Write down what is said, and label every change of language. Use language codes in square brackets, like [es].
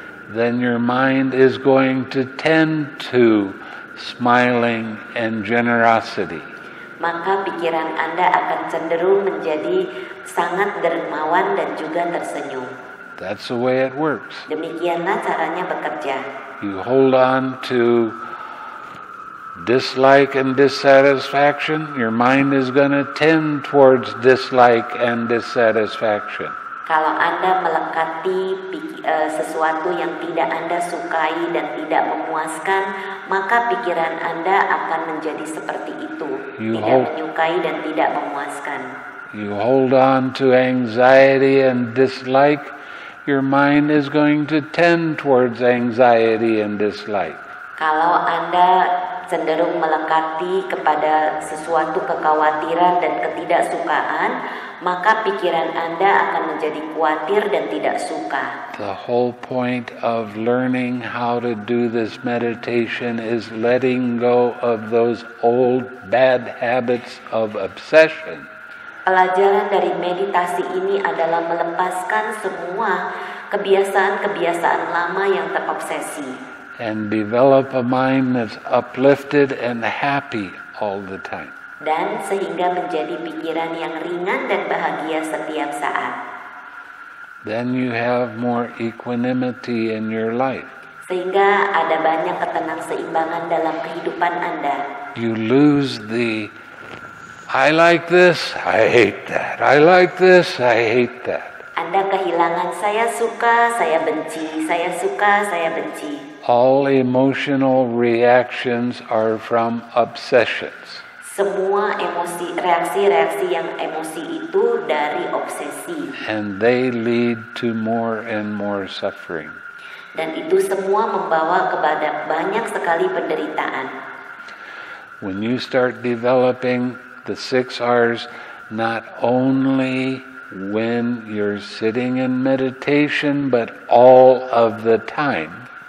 [en] then your mind is going to tend to smiling and generosity. [id] Maka pikiran Anda akan cenderung menjadi sangat dermawan dan juga tersenyum. [en] That's the way it works. [id] Demikianlah caranya bekerja. [en] You hold on to dislike and dissatisfaction, your mind is going to tend towards dislike and dissatisfaction. [id] Kalau Anda melekati sesuatu yang tidak Anda sukai dan tidak memuaskan, maka pikiran Anda akan menjadi seperti itu, menyukai dan tidak memuaskan. [en] You hold on to anxiety and dislike, your mind is going to tend towards anxiety and dislike. [id] Kalau Anda cenderung melekati kepada sesuatu kekhawatiran dan ketidaksukaan, maka pikiran Anda akan menjadi khawatir dan tidak suka. [en] The whole point of learning how to do this meditation is letting go of those old bad habits of obsession. [id] Pelajaran dari meditasi ini adalah melepaskan semua kebiasaan-kebiasaan lama yang terobsesi. [en] And develop a mind that's uplifted and happy all the time. [id] Dan sehingga menjadi pikiran yang ringan dan bahagia setiap saat. [en] Then you have more equanimity in your life. [id] Sehingga ada banyak ketenangan seimbangan dalam kehidupan Anda. [en] You lose the I like this, I hate that. I like this, I hate that. [id] Anda kehilangan saya suka, saya benci, saya suka, saya benci. [en] All emotional reactions are from obsessions. [id] Semua emosi, reaksi-reaksi yang emosi itu dari obsesi. [en] And they lead to more and more suffering. [id] Dan itu semua membawa kepada banyak sekali penderitaan. [en] When you start developing the six R's, not only when you're sitting in meditation, but all of the time.